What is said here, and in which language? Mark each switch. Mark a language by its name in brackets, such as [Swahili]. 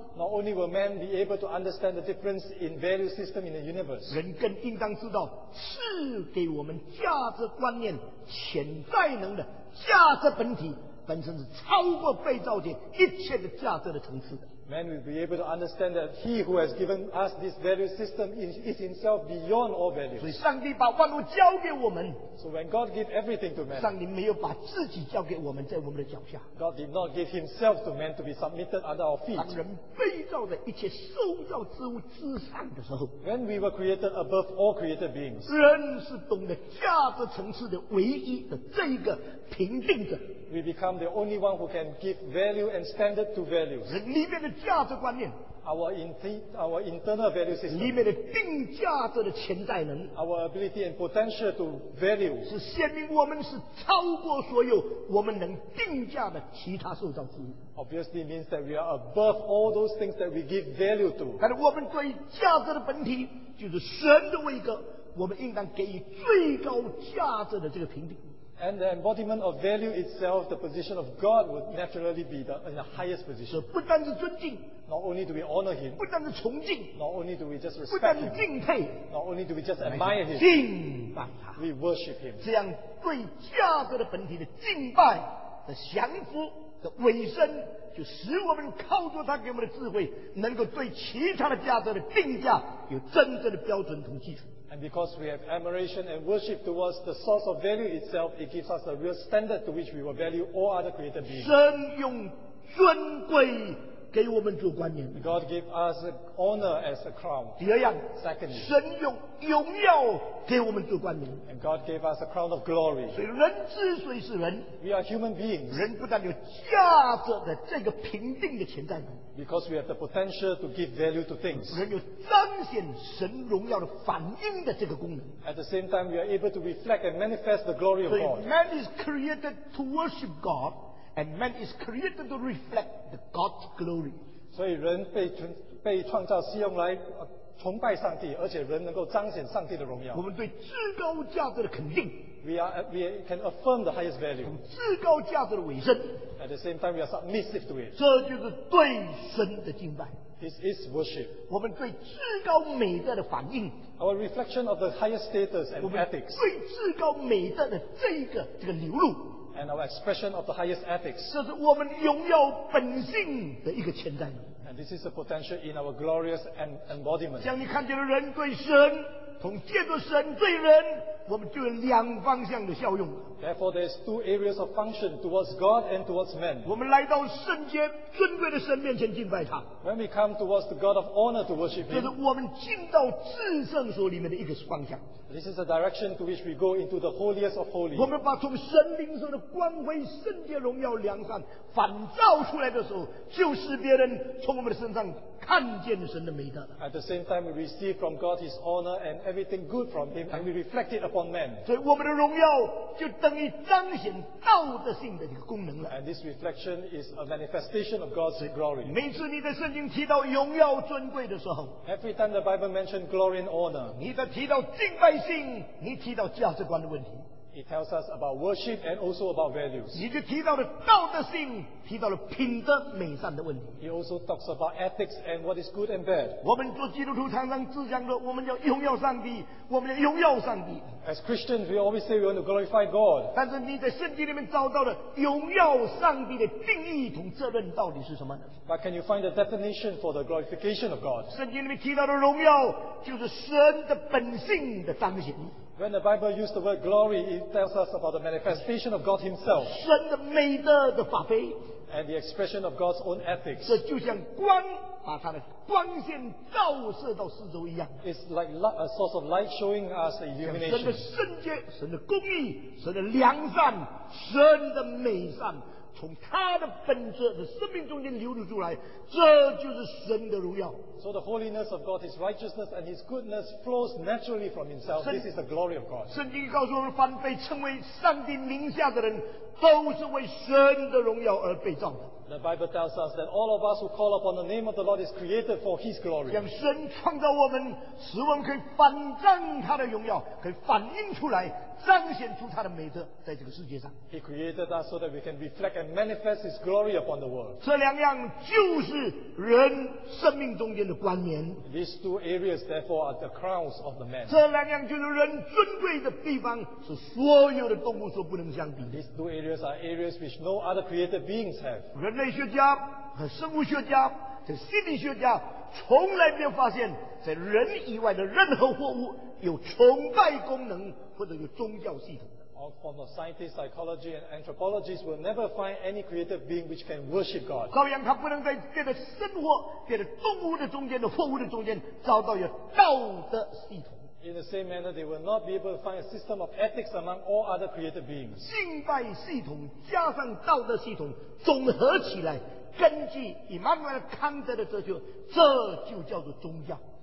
[English] Not only will man be able to understand the difference in value system in the universe. [Chinese] 人更应当知道赐给我们价值观念潜在能的价值本体本身是超过被造界一切的价值的层次的。 [English] Man will be able to understand that he who has given us this value system is himself beyond all values. [Chinese] 所以上帝把万物交给我们。 [English] So when God gave everything to man, [Chinese] 上帝没有把自己交给我们在我们的脚下。 [English] God did not give himself to man to be submitted under our feet. [Chinese] 当人被造的一切受造之物之上的时候， [English] when we were created above all created beings, [Chinese] 人是懂得价值层次的唯一的这一个评定者。 [English] We become the only one who can give value and standard to values. [Chinese] 里面的价值观念， [English] our internal value system [Chinese] 里面的定价者的潜在能 [English] our ability and potential to value [Chinese] 是鲜明我们是超过所有我们能定价的其他受造之物 [English] obviously means that we are above all those things that we give value to [Chinese] 但是我们对价值的本体就是神的位格我们应当给予最高价值的这个评定 [English] And the embodiment of value itself, the position of God would naturally be in the highest position. [Chinese] 不但是尊敬, [English] not only do we honor him, [Chinese] 不但是崇敬, [English] not only do we just respect [Chinese] 不但是敬佩, [English] him, not only do we just admire him, [Chinese] 敬拜他, [English] we worship him. [Chinese] 这样对价值的本体的敬拜的降服的委身就使我们靠着他给我们的智慧能够对其他的价值的定价有真正的标准同基础。 [English] And because we have admiration and worship towards the source of value itself, it gives us a real standard to which we will value all other created beings. [Chinese] 神用尊贵给我们做冠冕。 [English] God gave us honor as a crown. [Chinese] 第二样。 [English] Secondly. [Chinese] 神用荣耀给我们做冠冕。 [English] And God gave us a crown of glory. [Chinese] 所以人之所以是人。 [English] We are human beings. [Chinese] 人不但有价值的这个评定的潜在能力。 [English] Because we have the potential to give value to things. [Chinese] 人有彰显神荣耀的反应的这个功能。 [English] At the same time, we are able to reflect and manifest the glory of God. So man is created to worship God, and man is created to reflect the God's glory. [Chinese] 所以人被创造是用来崇拜上帝，而且人能够彰显上帝的荣耀。我们对至高价值的肯定。 [English] We can affirm the highest value. [Chinese] 至高价值的委身。 [English] At the same time, we are submissive to it. [Chinese] 这就是对神的敬拜。 [English] This is worship. [Chinese] 我们对至高美德的反应。 [English] Our reflection of the highest status and ethics. [Chinese] 对至高美德的这个流露。 [English] And our expression of the highest ethics. [Chinese] 这是我们荣耀本性的一个潜在。 [English] And this is the potential in our glorious embodiment. [Chinese] 像你看见的人对神，从借着神对人。我们就有两方向的效用。 [English] Therefore, there is two areas of function towards God and towards man. [Chinese] 我们来到圣洁尊贵的神面前敬拜他。 [English] When we come towards the God of honor to worship Him. [Chinese] 这是我们进到至圣所里面的一个方向。 [English] This is the direction to which we go into the holiest of holies. [Chinese] 我们把从神灵中的光辉、圣洁、荣耀、良善反照出来的时候，就是别人从我们的身上。看见神的美德。 [English] At the same time, we receive from God His honor and everything good from Him, and we reflect it upon men. [Chinese] 所以我们的荣耀就等于彰显道德性的一个功能了。 [English] And this reflection is a manifestation of God's glory. [Chinese] 每次你的圣经提到荣耀尊贵的时候 [English] ，Every time the Bible mentions glory and honor， [Chinese] 你在提到敬拜性，你提到价值观的问题。 [English] It tells us about worship and also about values. [Chinese] 你就提到了道德性，提到了品德美善的问题。 [English] He also talks about ethics and what is good and bad. [Chinese] 我们做基督徒常常自讲着，我们要荣耀上帝，我们要荣耀上帝。 [English] As Christians, we always say we want to glorify God. [Chinese] 但是你在圣经里面找到了荣耀上帝的定义同责任到底是什么呢？ [English] But can you find the definition for the glorification of God? [Chinese] 圣经里面提到的荣耀就是神的本性的彰显。 [English] When the Bible used the word glory, it tells us about the manifestation of God Himself. [Chinese] 神的美德的发挥。 [English] And the expression of God's own ethics. [Chinese] 这就像光把它的光线照射到四周一样。 [English] It's like a source of light showing us the illumination. [Chinese] 神的圣洁、神的公义、神的良善、神的美善，从他的本质的生命中间流露出来，这就是神的荣耀。 [English] So the holiness of God, His righteousness and His goodness flows naturally from Himself. This is the glory of God. [Chinese] 圣经告诉我们，凡被称为上帝名下的人，都是为神的荣耀而被造的。 [English] The Bible tells us that all of us who call upon the name of the Lord is created for His glory. [Chinese] 让神创造我们，使我们可以反彰他的荣耀，可以反映出来，彰显出他的美德，在这个世界上。 [English] He created us so that we can reflect and manifest His glory upon the world. [Chinese] 这两样就是人生命中间的冠冕。 [English] These two areas, therefore, are the crowns of the man. [Chinese] 这两样就是人尊贵的地方，是所有的动物所不能相比的。 [English] These two areas are areas which no other created beings have. [Chinese] 人类学家和生物学家和心理学家从来没有发现在人以外的任何货物有崇拜功能或者有宗教系统。 [English] All forms of scientists, psychology and anthropologists will never find any creative being which can worship God. [Chinese] 照样他不能在这个生活这个动物的中间的货物的中间找到有道德系统。 [English] In the same manner, they will not be able to find a system of ethics among all other created beings. [Chinese] 敬拜系统加上道德系统综合起来根据 Immanuel Kant 的哲学，这就叫做宗教。